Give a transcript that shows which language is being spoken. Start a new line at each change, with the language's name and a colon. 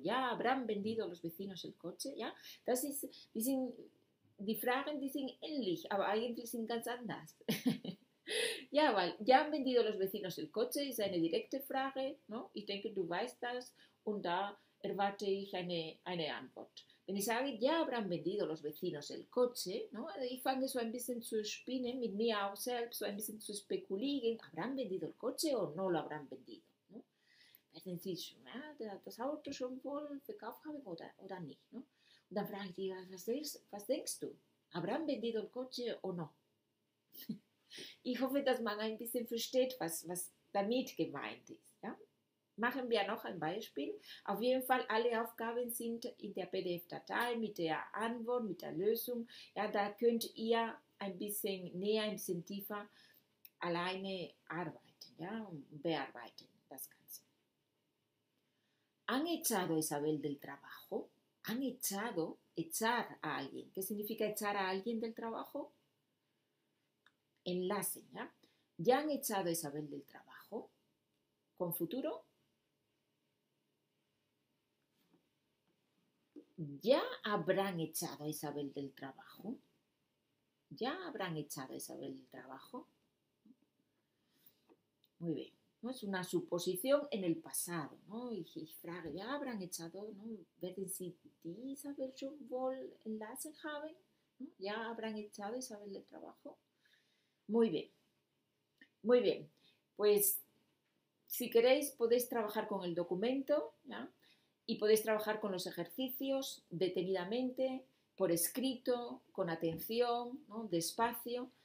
Spanish: ¿Ya habrán vendido los vecinos el coche? ¿Ya?
German: Das ist, die sind, die Fragen, die sind ähnlich, aber eigentlich sind ganz anders. Ja, weil,
Spanish: ¿ya han vendido los vecinos el coche?
German: Ist eine direkte Frage, ¿no? Ich denke, du weißt das und da erwarte ich eine Antwort. Wenn ich sage,
Spanish: ¿ya habrán vendido los vecinos el coche? ¿No?
German: Ich fange so ein bisschen zu spinnen, mit mir auch selbst, so ein bisschen zu spekulieren.
Spanish: ¿Habrán vendido el coche o no lo habrán vendido? ¿No?
German: Werden Sie schon, ja, das Auto schon wohl verkauft haben oder nicht?
Spanish: ¿No?
German: Und dann frage ich dich, was denkst du?
Spanish: ¿Habrán vendido el coche o no?
German: Ich hoffe, dass man ein bisschen versteht, was damit gemeint ist. Machen wir noch ein Beispiel. Auf jeden Fall, alle Aufgaben sind in der PDF-Datei mit der Antwort, mit der Lösung. Ja, da könnt ihr ein bisschen näher, ein bisschen tiefer alleine arbeiten, ja, und bearbeiten das Ganze.
Spanish: ¿Han echado Isabel del trabajo? ¿Han echado, echar a alguien? ¿Qué significa echar a alguien del trabajo? Enlace, ¿ya? ¿Ya han echado a Isabel del trabajo? ¿Con futuro? ¿Ya habrán echado a Isabel del trabajo? ¿Ya habrán echado a Isabel del trabajo? Muy bien. ¿No? Es una suposición en el pasado, ¿no?
German: Ich frage,
Spanish: ¿ya habrán echado, ¿no?
German: Werden Sie die Isabel schon wohl entlassen haben?
Spanish: ¿No? ¿Ya habrán echado a Isabel del trabajo? Muy bien. Muy bien. Pues, si queréis, podéis trabajar con el documento, ¿ya? Y podéis trabajar con los ejercicios detenidamente, por escrito, con atención, ¿no? Despacio.